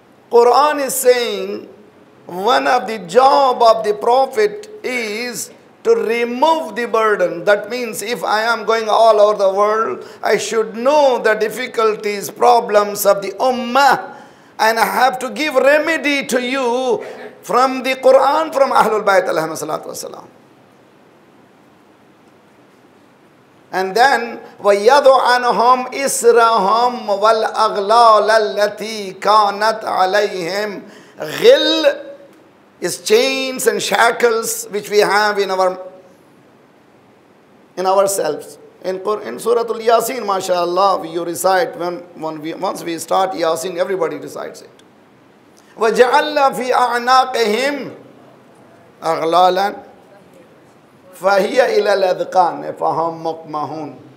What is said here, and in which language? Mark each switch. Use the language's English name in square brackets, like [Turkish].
[English] Quran is saying one of the job of the prophet is to remove the burden. That means if I am going all over the world, I should know the difficulties, problems of the ummah, and I have to give remedy to you from the Quran, from Ahlul Bayt alayhim salatu wasalam. And then [Arabic] وَيَذُ عَنْهُمْ إِسْرَهُمْ وَالْأَغْلَالَ الَّتِي كَانَتْ عَلَيْهِمْ. [English] غِلْ is chains and shackles which we have in ourselves. In Surah Al-Yasin, mashallah, you recite, once we start Yasin, everybody recites it. [Arabic] وَجَعَلَّ فِي أَعْنَاقِهِمْ أَغْلَالًا فَهِيَ إِلَى الْأَذْقَانِ فَهُمْ مُقْمَهُونَ.